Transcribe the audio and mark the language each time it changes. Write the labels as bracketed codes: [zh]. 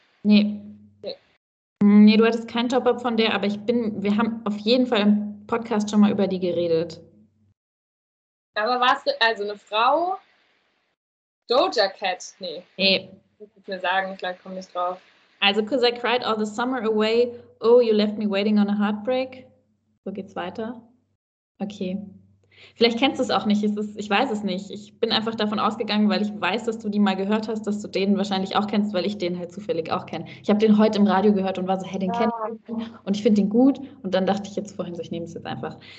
[de] Nee. Nee, du hattest keinen Top-Up von der, aber wir haben auf jeden Fall im Podcast schon mal über die geredet. Aber war es also eine Frau? Doja Cat? Nee. Nee. Muss ich mir sagen, vielleicht komme ich drauf. Also, [en] 'cause I cried all the summer away. Oh, you left me waiting on a heartbreak. [de] So geht's weiter. [en] Okay. [de] Vielleicht kennst du es auch nicht. Ich weiß es nicht. Ich bin einfach davon ausgegangen, weil ich weiß, dass du die mal gehört hast, dass du den wahrscheinlich auch kennst, weil ich den halt zufällig auch kenne. Ich habe den heute im Radio gehört und war so, hey, den kenne Ah. ich und ich finde den gut. Und dann dachte ich jetzt vorhin, so, ich nehme es jetzt einfach.